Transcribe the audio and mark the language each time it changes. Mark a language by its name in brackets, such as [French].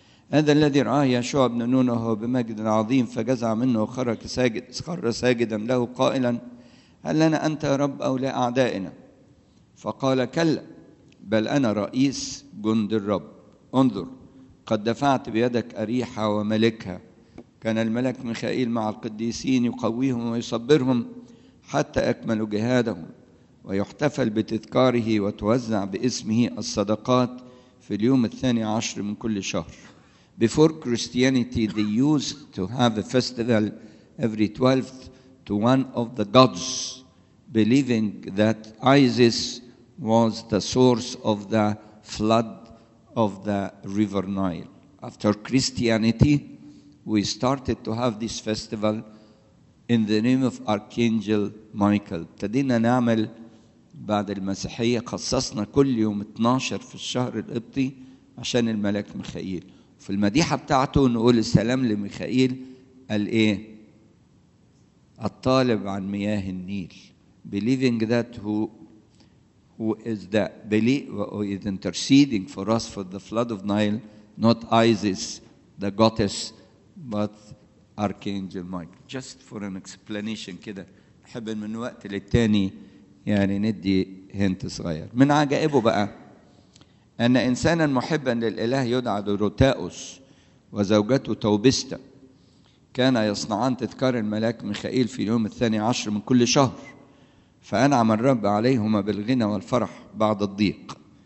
[Arabic] هذا الذي رآه يشوع بن نون وهو بمجد عظيم فجزع منه وخرج ساجد خر ساجدا له قائلا هل لنا أنت يا رب أو لأعدائنا؟ فقال كلا بل أنا رئيس جند الرب، انظر قد دفعت بيدك أريحة وملكها. كان الملك ميخائيل مع القديسين يقويهم ويصبرهم حتى أكملوا جهادهم، ويحتفل بتذكاره وتوزع باسمه الصدقات في اليوم الثاني عشر من كل شهر. [English] Before Christianity they used to have a festival every 12th to one of the gods, believing that Isis was the source of the flood of the river Nile. After Christianity we started to have this festival in the name of Archangel Michael. [Arabic] ابتدينا نعمل بعد المسيحية خصصنا كل يوم 12 في الشهر القبطي عشان الملك ميخائيل. في المديحة بتاعته نقول السلام لميخائيل الايه؟ الطالب عن مياه النيل. [English] Believing that who is that? Who is interceding for us for the flood of Nile, not Isis, the goddess, but Archangel Michael. Just for an explanation [Arabic] كده حب من وقت للتاني يعني ندي هنت صغير. من عجائبه بقى أن إنسانا محبا للإله يدعى دوروتاوس وزوجته توبستا كان يصنعان تذكار الملاك ميخائيل في اليوم الثاني عشر من كل شهر، فأنعم الرب عليهما بالغنى والفرح بعد الضيق.